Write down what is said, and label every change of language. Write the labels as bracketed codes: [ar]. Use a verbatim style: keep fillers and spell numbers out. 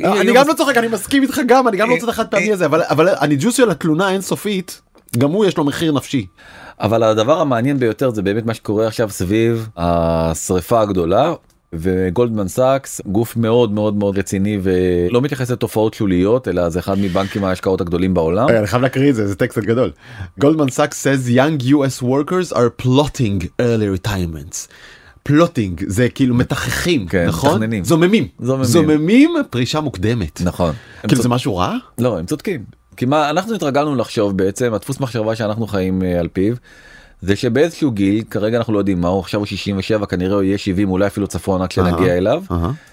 [he] אני גם לא צוחק, אני מסכים איתך גם, אני גם לא רוצה את החד פעמי הזה, אבל הניג'וס של התלונה אינסופית, גם הוא יש לו מחיר נפשי. אבל הדבר המעניין ביותר זה באמת מה שקורה עכשיו סביב השריפה הגדולה, וגולדמן סאקס, גוף מאוד מאוד מאוד רציני, ולא מתייחס לתופעות שוליות, אלא זה אחד מבנקים ההשקעות הגדולים בעולם. אני חייב להקריא את זה, זה טקסט גדול. [en] Goldman Sachs says young U S workers are plotting early retirements. [he] פלוטינג זה כאילו מתחכים, כן, נכון? מתכננים. זוממים. זוממים. זוממים פרישה מוקדמת. נכון. כאילו צוד... זה משהו רע? לא, הם צודקים. כי מה, אנחנו התרגלנו לחשוב בעצם, הדפוס מחשבה שאנחנו חיים uh, על פיו, זה שבאיזשהו גיל, כרגע אנחנו לא יודעים מה, הוא עכשיו הוא שישים ושבע, כנראה הוא יהיה שבעים, אולי אפילו צפון עד שנגיע uh-huh. אליו. Uh-huh.